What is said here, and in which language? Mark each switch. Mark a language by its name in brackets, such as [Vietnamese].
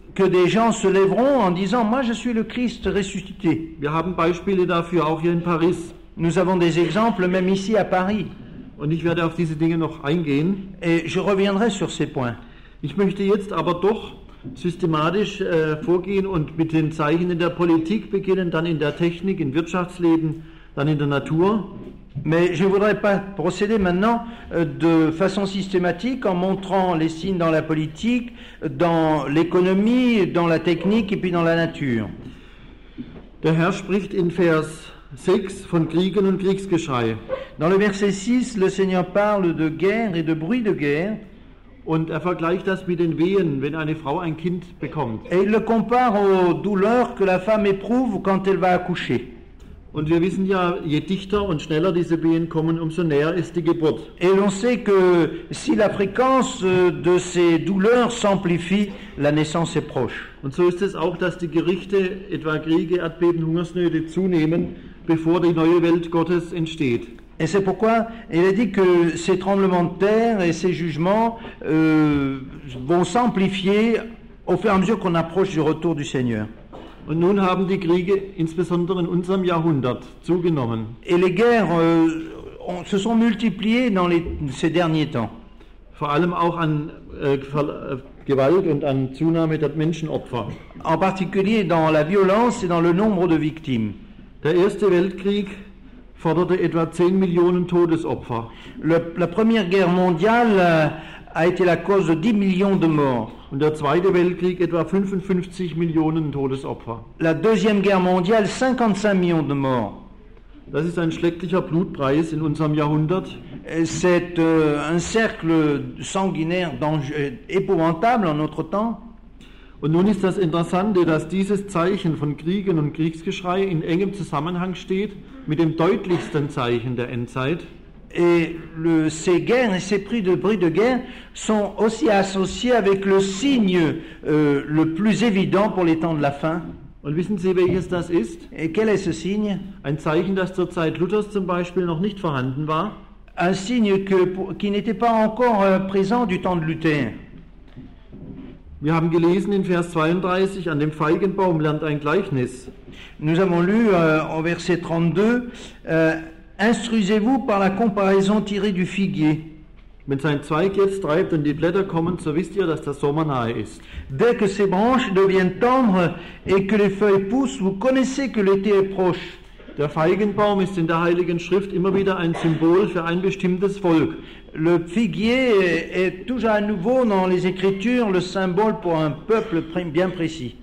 [French] Que des gens se lèveront en disant, moi je suis le Christ ressuscité. [German] Wir haben Beispiele dafür auch hier in Paris. [French] Nous avons des exemples même ici à Paris. [German] Und ich werde auf diese Dinge noch eingehen. [French] Et je reviendrai sur ces points. [German] Ich möchte jetzt aber doch systematisch vorgehen und mit den Zeichen in der Politik beginnen, dann in der Technik, im Wirtschaftsleben, dann in der Natur. [French] Mais je voudrais pas procéder maintenant de façon systématique en montrant les signes dans la politique, dans l'économie, dans la technique et puis dans la nature. [German] Der Herr spricht in Vers 6 von Kriegen und Kriegsgeschrei. [French] Dans le verset 6, le Seigneur parle de guerre et de bruit de guerre. [German] Und er vergleicht das mit den Wehen, wenn eine Frau ein Kind bekommt. [French] Et il le compare aux douleurs que la femme éprouve quand elle va accoucher. [German] Und wir wissen ja, je dichter und schneller diese Wehen kommen, umso näher ist die Geburt. [French] Et on sait que si la fréquence de ces douleurs s'amplifie, la naissance est proche. [German] Und so ist es auch, dass die Gerichte, etwa Kriege, Erdbeben, Hungersnöte, zunehmen, bevor die neue Welt Gottes entsteht. [French] Et c'est pourquoi il a dit que ces tremblements de terre et ces jugements vont s'amplifier au fur et à mesure qu'on approche du retour du Seigneur. [German] Und nun haben die Kriege insbesondere in unserem Jahrhundert zugenommen. [French] Et les guerres se sont multipliées dans ces derniers temps. [German] Vor allem auch an Gewalt und an Zunahme der Menschenopfer. [French] En particulier dans la violence et dans le nombre de victimes. [German] Der Erste Weltkrieg forderte etwa 10 Millionen Todesopfer. [French] La Première Guerre mondiale a été la cause de 10 millions de morts. [German] Und der Zweite Weltkrieg etwa 55 Millionen Todesopfer. [French] La Deuxième Guerre mondiale 55 millions de morts. [German] Das ist ein schrecklicher Blutpreis in unserem Jahrhundert. [French] C'est un cercle sanguinaire épouvantable en notre temps. [German] Und nun ist das Interessante, dass dieses Zeichen von Kriegen und Kriegsgeschrei in engem Zusammenhang steht mit dem deutlichsten Zeichen der Endzeit. [French] Et le, ces guerres et ces prix de bruit de guerre sont aussi associés avec le signe le plus évident pour les temps de la fin. [German] Und wissen Sie, welches das ist? [French] Et quel est ce signe? [German] Ein Zeichen, das zur Zeit Luthers zum Beispiel noch nicht vorhanden war. [French] Un signe qui n'était pas encore présent du temps de Luther. [German] Wir haben gelesen in Vers 32, an dem Feigenbaum lernt ein Gleichnis. [French] Nous avons lu au verset 32, instruisez-vous par la comparaison tirée du figuier. [German] Wenn sein Zweig jetzt treibt und die Blätter kommen, so wisst ihr, dass der Sommer nahe ist. [French] Dès que ses branches deviennent tendres et que les feuilles poussent, vous connaissez que l'été est proche. [German] Der Feigenbaum ist in der Heiligen Schrift immer wieder ein Symbol für ein bestimmtes Volk. [French] Le figuier est toujours à nouveau dans les Écritures le symbole pour un peuple bien précis.